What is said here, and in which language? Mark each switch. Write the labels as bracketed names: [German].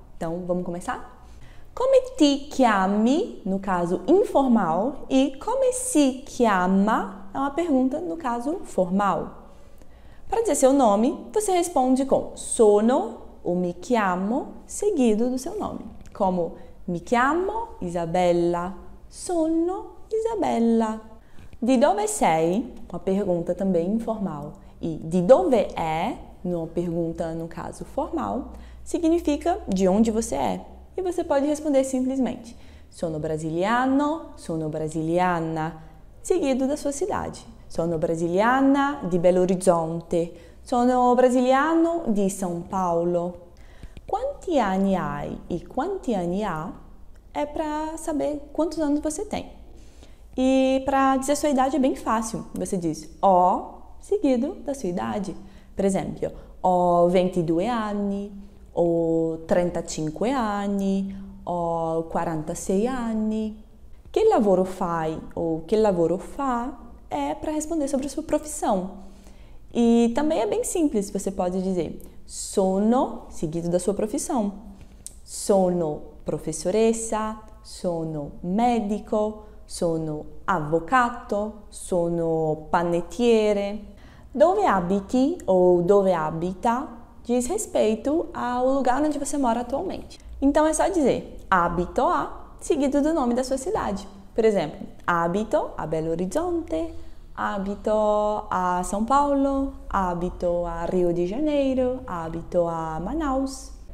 [Portuguese] Então, vamos começar? [Italian] Come ti chiami? [Portuguese] No caso informal. [Italian] E come si chiama? [Portuguese] É uma pergunta no caso formal. Para dizer seu nome, você responde com sono ou mi chiamo, seguido do seu nome. [Italian] Como mi chiamo Isabella, sono Isabella. Di dove sei? [Portuguese] Uma pergunta também informal. [Italian] E di dove è? [Portuguese] Uma pergunta no caso formal, significa de onde você é. E você pode responder simplesmente: [Italian] sono brasiliano, sono brasiliana, [Portuguese] seguido da sua cidade. [Italian] Sono brasiliana di Belo Horizonte. Sono brasiliano di São Paulo. Quanti anni hai? E quanti anni ha? [Portuguese] É para saber quantos anos você tem. E para dizer sua idade é bem fácil. Você diz ho, seguido da sua idade. Por exemplo, [Italian] ho 22 anni. Ho 35 anni, ho 46 anni. Che lavoro fai o che lavoro fa? È per rispondere [Portuguese] sobre a sua profissão. E também è bem simples, você pode dizer sono, seguido da sua profissão. [Italian] Sono professoressa, sono medico, sono avvocato, sono panettiere. Dove abiti o dove abita? [Portuguese] Diz respeito ao lugar onde você mora atualmente. Então é só dizer abito a, seguido do nome da sua cidade. Por exemplo, [Italian] abito a Belo Horizonte, abito a São Paulo, abito a Rio de Janeiro, abito a Manaus.